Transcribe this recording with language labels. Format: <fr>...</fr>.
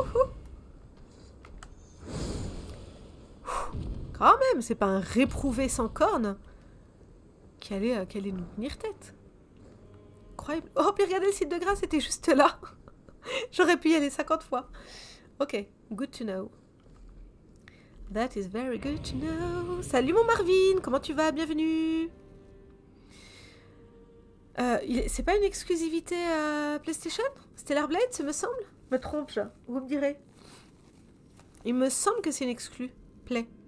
<fr>Ouh, quand même, c'est pas un réprouvé sans corne qui allait nous tenir tête. Incroyable. Oh, puis regardez le site de grâce, c'était juste là. J'aurais pu y aller 50 fois. Ok,</fr> <en>good to know. That is very good to know.</en> <fr>Salut mon Marvin, comment tu vas? Bienvenue. C'est pas une exclusivité PlayStation? Stellar Blade, ça me semble? Me trompe-je? Vous me direz. Il me semble que c'est une exclu. Play.</fr>